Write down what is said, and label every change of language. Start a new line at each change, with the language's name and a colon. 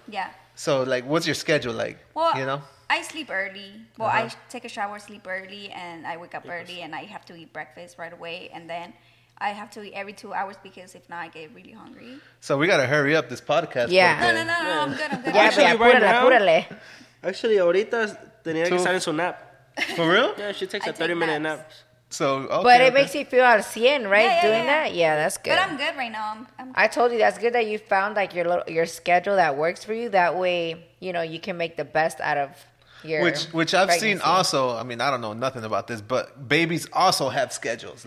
English: Yeah. So, like, what's your schedule like? Well, you know? I sleep early. Well, I take a shower, sleep early, and I wake up early, and I have to eat breakfast right away. And then I have to eat every 2 hours because if not, I get really hungry. So we got to hurry up this podcast. Yeah. No, I'm good. Yeah,
Spanish: apúrale.
English: Actually,
Spanish: ahorita tenía que estar en su nap.
English: For real? Yeah, she takes a 30-minute nap. So, okay, but it makes you feel out of 100, right? Yeah, yeah, doing yeah. that, yeah, that's good. But I'm good right now. I'm good. I told you that's good that you found like your little, your schedule that works for you. That way, you know, you can make the best out of your which I've pregnancy. Seen also. I mean, I don't know nothing about this, but babies also have schedules.